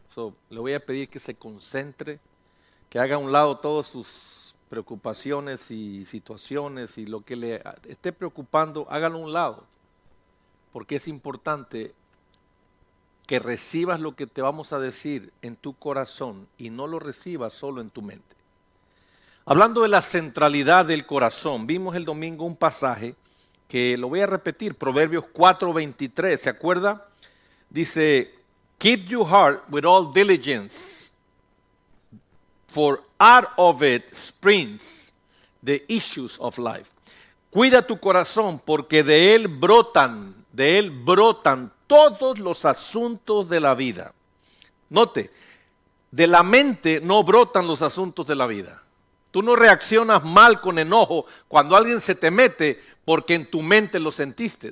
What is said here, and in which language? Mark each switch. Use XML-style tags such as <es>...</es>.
<es>So, le voy a pedir que se concentre, que haga a un lado todas sus preocupaciones y situaciones y lo que le esté preocupando, hágalo a un lado, porque es importante que recibas lo que te vamos a decir en tu corazón y no lo recibas solo en tu mente. Hablando de la centralidad del corazón, vimos el domingo un pasaje que lo voy a repetir, Proverbios 4:23, ¿se acuerda? Dice,</es> <en>Keep your heart with all diligence, for out of it springs the issues of life.</en> <es>Cuida tu corazón, porque de él brotan todos los asuntos de la vida. Note, de la mente no brotan los asuntos de la vida. Tú no reaccionas mal con enojo cuando alguien se te mete porque en tu mente lo sentiste.</es>